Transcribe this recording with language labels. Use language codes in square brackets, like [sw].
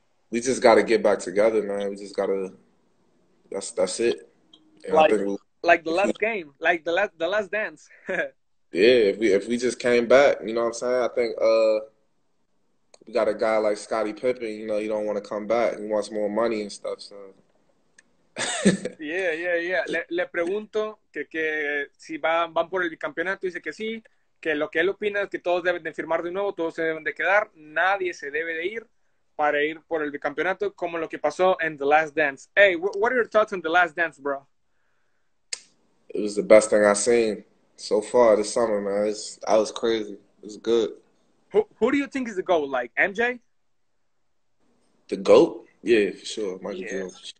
[en] we just got to get back together, man. We just got to. That's it. And like the last dance. Yeah, if we just came back, you know what I'm saying? I think. We got a guy like Scottie Pippen, you know, he don't want to come back. He wants more money and stuff, so. Yeah. [es] Le pregunto que si van por el bicampeonato, dice que sí, que lo que él opina es que todos deben de firmar de nuevo, todos se deben de quedar, nadie se debe de ir para ir por el bicampeonato, como lo que pasó en The Last Dance. [en] Hey, what are your thoughts on The Last Dance, bro? It was the best thing I've seen so far this summer, man. That was crazy. It was good. Who do you think is the GOAT? Like MJ? The GOAT? Yeah, for sure. Michael Jordan.